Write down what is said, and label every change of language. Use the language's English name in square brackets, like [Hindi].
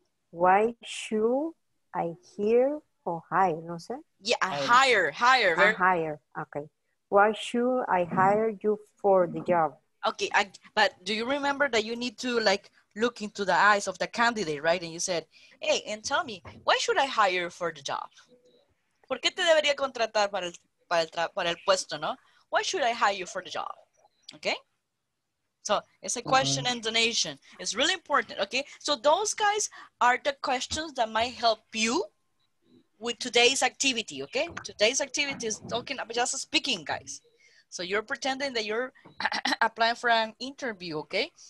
[English] Why should I hire or hire, [Spanish] no sé? [English] Yeah, hire, hire. Hire, hire. Okay. Why should I hire you for the job? Okay, but do you remember that you need to like look into the eyes of the candidate, right? And you said, hey, and tell me, why should I hire for the job? [Spanish] ¿Por qué te debería contratar para el puesto, no? [English] Why should I hire you for the job? Okay? So it's a question and donation. It's really important, okay? So those guys are the questions that might help you with today's activity, okay? Today's activity is talking about just speaking, guys. So you're pretending that you're applying for an interview, okay?